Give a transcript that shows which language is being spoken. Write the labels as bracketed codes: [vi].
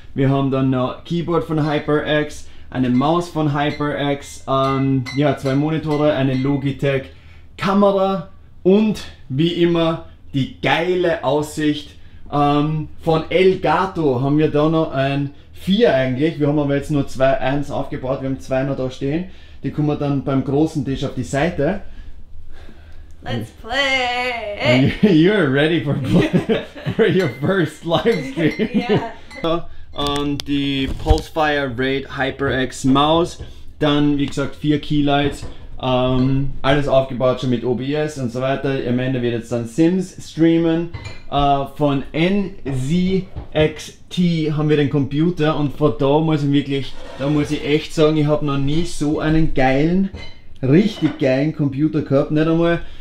[de] Wir haben dann noch Keyboard von HyperX, eine Maus von HyperX, ja, zwei Monitore, eine Logitech Kamera und wie immer die geile Aussicht von Elgato. Haben wir da noch ein 4 eigentlich, wir haben aber jetzt nur 2, 1 aufgebaut, wir haben 2 noch da stehen. Die kommen dann beim großen Tisch auf die Seite. [en] Let's play! You're ready for your first live stream. Yeah. [de] Und die Pulsefire Raid HyperX Maus, dann wie gesagt 4 Keylights, alles aufgebaut schon mit OBS und so weiter. Am Ende wird jetzt dann Sims streamen. Von NZXT haben wir den Computer und von da muss ich wirklich, da muss ich echt sagen, ich habe noch nie so einen geilen, richtig geilen Computer gehabt, nicht einmal.